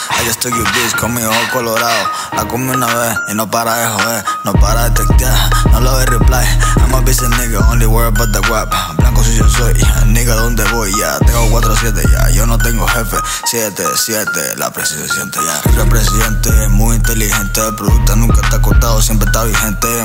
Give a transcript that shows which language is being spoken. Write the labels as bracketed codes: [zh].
[en] I just took your bitch, [es] con mi ojo colorado. La comí una vez, y no para de joder. No para de textear, no lo de reply. [en] I'm a busy nigga, only worry about the guap. [es] Blanco si yo soy, nigga, ¿dónde voy? Ya, tengo 4-7, ya, yo no tengo jefe. 7-7, la presión se siente ya. Representante, muy inteligente. El producto nunca está cortado, siempre está vigente.